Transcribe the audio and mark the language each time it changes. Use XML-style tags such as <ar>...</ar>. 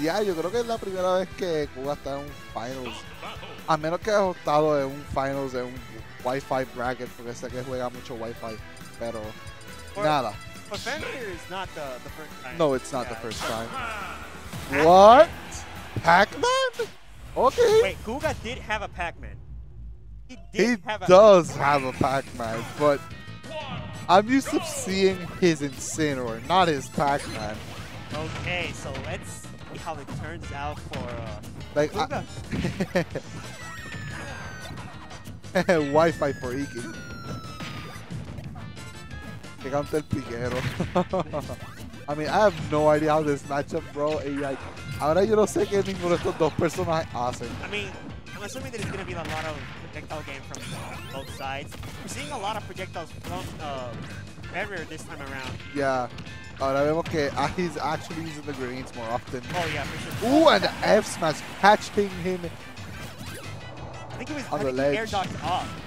<es>Yeah, yo creo que es la primera vez que Kuga está en un finals. A menos que haya estado en un finals en un Wi-Fi bracket, porque sé que juega mucho Wi-Fi. Pero, nada.</es> <en>But Fenrir is not the first time. No, it's not the first time. What? Pac-Man? Okay. Wait, Kuga did have a Pac-Man. He does have a Pac-Man, but I'm used to seeing his Incineroar, not his Pac-Man. Okay, so let's see how it turns out for Wi-Fi for Iki.</en> <es>Que canta el piquero.</es> <en>I mean, I have no idea how this matchup, bro.</en> <es>Like, ahora yo no sé qué ninguno de estos dos personajes hacen.</es> <en>I mean, I'm assuming that it's going to be a lot of projectile game from both sides. We're seeing a lot of projectiles from Fenrir this time around. Yeah. Ahora vemos que he's actually using the greens more often. Oh, yeah, for sure. Ooh, and F smash catching him. I think it was the air dodge off.</en>